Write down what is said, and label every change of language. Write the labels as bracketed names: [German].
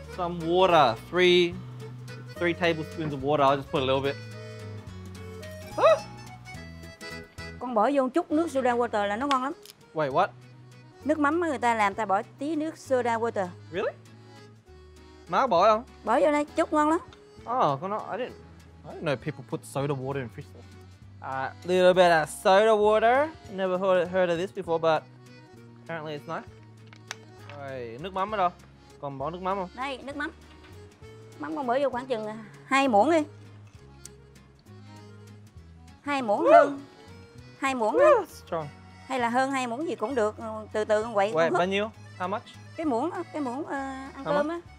[English] Some water, 3 tablespoons of water, I'll just put a little bit. [Vietnamese] Con bỏ vô chút nước soda water là nó ngon lắm. [English] Wait, what? [Vietnamese] Nước mắm người ta làm ta bỏ tí nước soda water. [English] Really? [Vietnamese] Má bỏ không? Bỏ vô đây, chút ngon lắm. [English] Oh, I didn't know people put soda water in fish sauce. A little bit of soda water. Never heard of this before, but apparently it's nice. [Vietnamese] Rồi, nước mắm ở đâu? Còn bỏ nước mắm không? Đây, nước mắm. Mắm con bỏ vô khoảng chừng 2 muỗng đi. 2 muỗng hơn. 2 muỗng đó. [English] Strong. [Vietnamese] Hay là hơn 2 muỗng gì cũng được. Từ từ con quậy. [English] Wait, [Vietnamese] bao nhiêu? [English] How much? [Vietnamese] Cái muỗng ăn cơm á.